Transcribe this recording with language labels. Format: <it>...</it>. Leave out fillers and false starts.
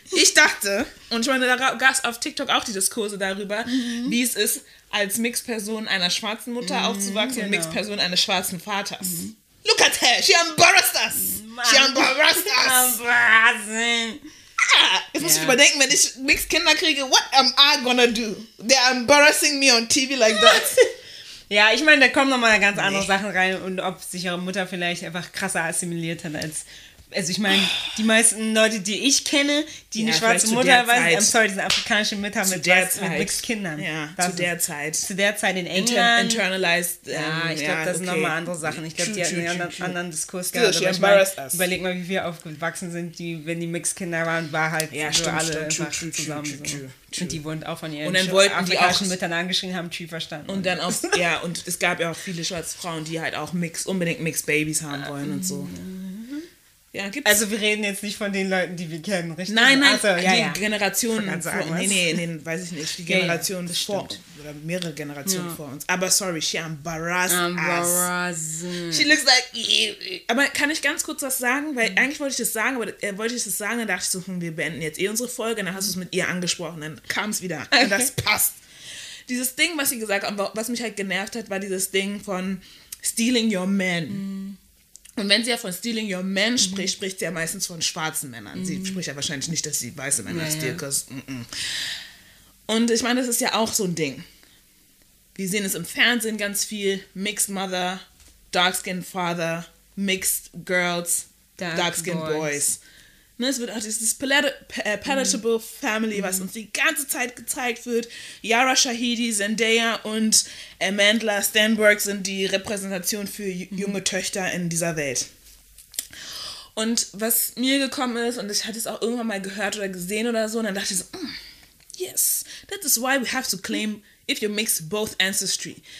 <de>Ich dachte, und ich meine, da gab es auf TikTok auch die Diskurse darüber, wie es ist, als Mixed-Person einer schwarzen Mutter aufzuwachsen und Mixed-Person eines schwarzen Vaters.</de> <en>Look at her, she embarrassed us. Man. She embarrassed us. Embarrassing.</en> <de>Ah, jetzt muss ich überdenken, wenn ich mixed Kinder kriege,</de> <en>what am I gonna do? They're embarrassing me on TV like that.</en> <de>Ja, ich meine, da kommen nochmal ganz andere Sachen rein und ob sich ihre Mutter vielleicht einfach krasser assimiliert hat als. Also, ich meine, die meisten Leute, die ich kenne, die eine schwarze Mutter haben,</de> <en>I'm sorry,</en> <de>diese afrikanische Mütter mit mixed Kindern. Ja, zu der Zeit. Zu der Zeit in England.</de> <en>Internalized.</en> <de>Ja, ich glaube, das sind nochmal andere Sachen. Ich glaube, die hatten einen anderen Diskurs gerade.</de> <en>She embarrassed us.</en> <de>Überleg mal, wie wir aufgewachsen sind, wenn die mixed Kinder waren, war halt so alle zusammen. Und die wurden auch von ihren afrikanischen Müttern angeschrien, haben Tschü verstanden. Und dann auch, ja, und es gab ja auch viele schwarze Frauen, die halt auch unbedingt mixed Babys haben wollen und so. Ja, also wir reden jetzt nicht von den Leuten, die wir kennen, richtig? Nein, also, Generationen. Weiß ich nicht. Die Generation ist vor uns. Oder mehrere Generationen vor uns. Aber</de> <en>sorry, she embarrassed us. She looks like...</en> <de>Aber kann ich ganz kurz was sagen? Weil eigentlich wollte ich das sagen, dann dachte ich so, wir beenden jetzt unsere Folge. Dann hast du es mit ihr angesprochen, dann kam es wieder. Okay. Und das passt. Dieses Ding, was sie gesagt hat, was mich halt genervt hat, war dieses Ding von</de> <en>stealing your man.</en> <de>Mhm. Und wenn sie ja von</de> <en>stealing your man</en> <de>spricht, spricht sie ja meistens von schwarzen Männern. Mhm. Sie spricht ja wahrscheinlich nicht, dass sie weiße Männer Und ich meine, das ist ja auch so ein Ding. Wir sehen es im Fernsehen ganz viel.</de> <en>Mixed mother, dark skinned father, mixed girls, dark skinned boys.</en> <de>Ne, es wird auch dieses</de> <en>palatable family,</en> <de>was uns die ganze Zeit gezeigt wird. Yara Shahidi, Zendaya und Amanda Stenberg sind die Repräsentation für junge Töchter in dieser Welt. Und was mir gekommen ist, und ich hatte es auch irgendwann mal gehört oder gesehen oder so, und dann dachte ich so,</de> <en>yes, that is why we have to claim if you mix both ancestry.</en>